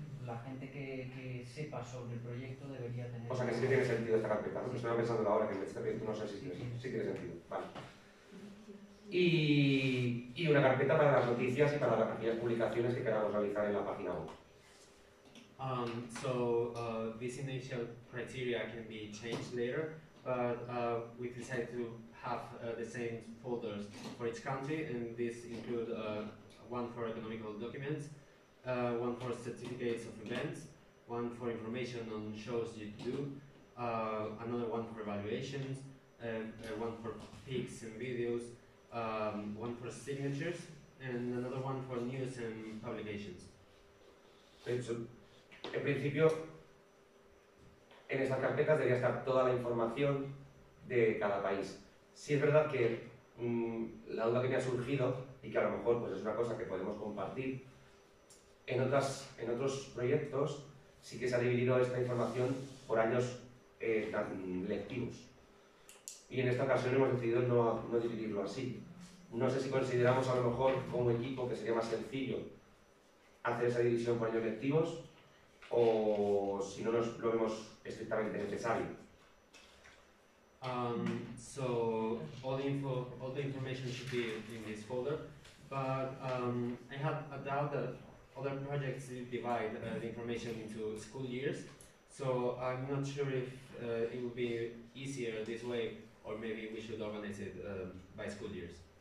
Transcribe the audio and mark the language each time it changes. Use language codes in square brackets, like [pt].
[es] La gente que sepa sobre el proyecto debería tener. O sea, que sí que tiene sentido esta carpeta. Sí. Estaba pensando ahora que en este proyecto no sé si tiene, sí tiene sentido. Vale. Y una carpeta para las noticias y para las aquellas publicaciones que queramos realizar en la página web. [en] This initial criteria can be changed later, but we decided to have the same folders for each country, and this include one for economical documents. One for certificates of events, one for information on shows you do, another one for evaluations, one for pics and videos, one for signatures, and another one for news and publications. [es] So, en principio, en esas carpetas debería estar toda la información de cada país. Sí es verdad que la duda que me ha surgido, y que a lo mejor pues, es una cosa que podemos compartir, En otros proyectos sí que se ha dividido esta información por años lectivos. Y en esta ocasión hemos decidido no dividirlo así. No sé si consideramos a lo mejor como equipo que sería más sencillo hacer esa división por años lectivos o si no lo vemos estrictamente necesario. [en] So, all the information should be in this folder, but I have a doubt that other projects divide the information into school years, so I'm not sure if it would be easier this way, or maybe we should organize it by school years.